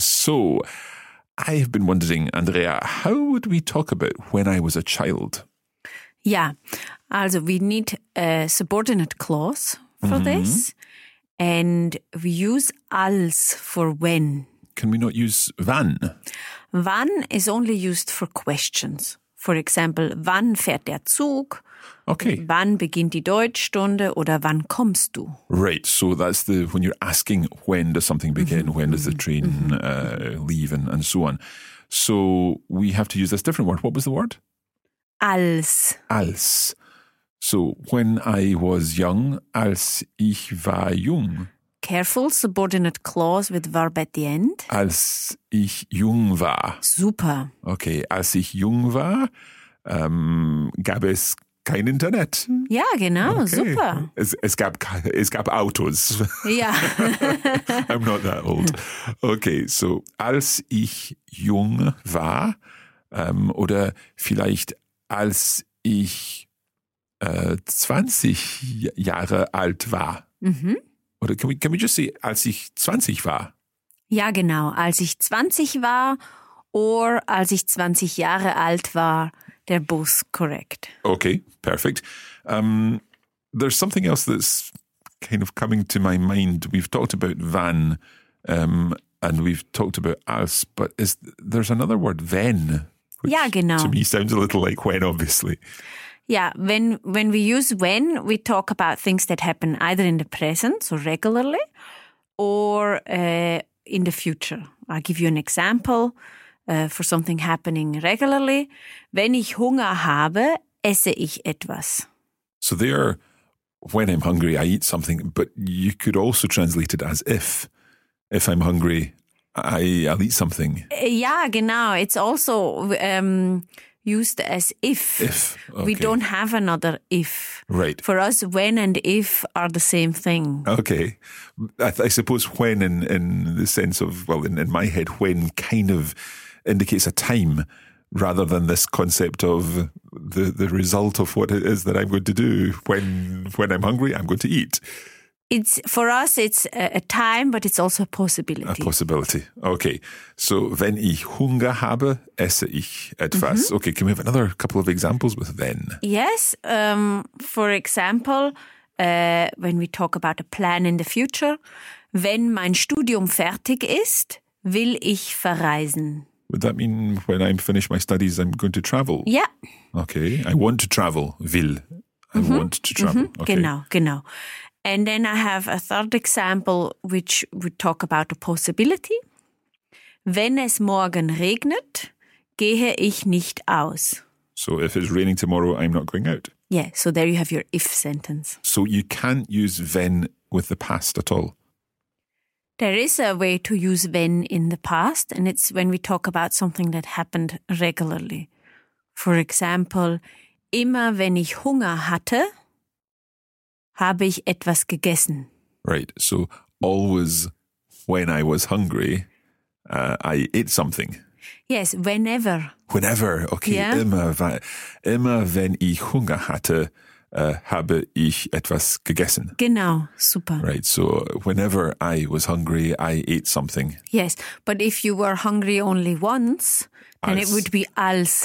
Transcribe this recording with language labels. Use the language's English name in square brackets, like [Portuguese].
[English] So I have been wondering, Andrea, how would we talk about when I was a child? Yeah. Also we need a subordinate clause for this, and we use als for when. Can we not use wann? Wann is only used for questions. For example, wann fährt der Zug? Okay. [German] Wann beginnt die Deutschstunde? Oder wann kommst du? [English] Right. So that's the when you're asking when does something begin, mm-hmm, when does the train leave and so on. So we have to use this different word. What was the word? [German] Als. [English] Als. So when I was young, [German] als ich war jung. [English] Careful, subordinate clause with verb at the end. [German] Als ich jung war. Super. Okay, als ich jung war, gab es kein Internet. Ja, genau, okay. Super. Es gab Autos. Ja. [English] I'm not that old. [German] Okay, so als ich jung war, oder vielleicht als ich 20 Jahre alt war. Mhm. Oder [English] can we just say, [German] als ich 20 war? Ja, genau. Als ich 20 war or als ich 20 Jahre alt war, [English] they're both correct. Okay, perfect. There's something else that's kind of coming to my mind. We've talked about wann and we've talked about als, but there's another word, wenn. Ja, genau. To me sounds a little like when, obviously. Yeah, when we use when, we talk about things that happen either in the present, so regularly, or in the future. I'll give you an example for something happening regularly. [German] Wenn ich Hunger habe, esse ich etwas. [English] So there, when I'm hungry, I eat something, but you could also translate it as if. If I'm hungry, I'll eat something. Yeah, [German] genau. [English] It's also used as if. If, okay. We don't have another if. Right. For us, when and if are the same thing. Okay. I suppose when in the sense of, well, in my head, when kind of indicates a time rather than this concept of the result of what it is that I'm going to do. When I'm hungry, I'm going to eat. It's for us, it's a time, but it's also a possibility. A possibility. Okay. [German] So, wenn ich Hunger habe, esse ich etwas. Mm-hmm. [English] Okay, can we have another couple of examples with then? Yes. For example, when we talk about a plan in the future, [German] wenn mein Studium fertig ist, will ich verreisen. [English] Would that mean when I'm finished my studies, I'm going to travel? Yeah. Okay. I want to travel, will. I mm-hmm. want to travel. Mm-hmm. Okay. Genau, genau. And then I have a third example, which would talk about a possibility. [German] Wenn es morgen regnet, gehe ich nicht aus. [English] So if it's raining tomorrow, I'm not going out. Yeah, so there you have your if sentence. So you can't use wenn with the past at all? There is a way to use wenn in the past, and it's when we talk about something that happened regularly. For example, [German] immer wenn ich Hunger hatte, habe ich etwas gegessen. [English] Right, so always when I was hungry, I ate something. Yes, whenever. Whenever, okay. Yeah. [German] Immer wenn ich Hunger hatte, habe ich etwas gegessen. Genau, super. [English] Right, so whenever I was hungry, I ate something. Yes, but if you were hungry only once, then it would be als.